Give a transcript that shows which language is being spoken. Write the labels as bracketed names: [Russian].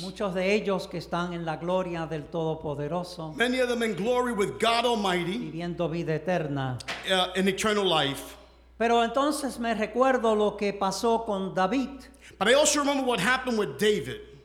[Spanish] Muchos de ellos que están en la gloria del Todopoderoso. [English] Many of them in glory with God Almighty. [Spanish] Viviendo vida eterna. [English] In eternal life. [Spanish] Pero entonces me recuerdo lo que pasó con David. [English] But I also remember what happened with David.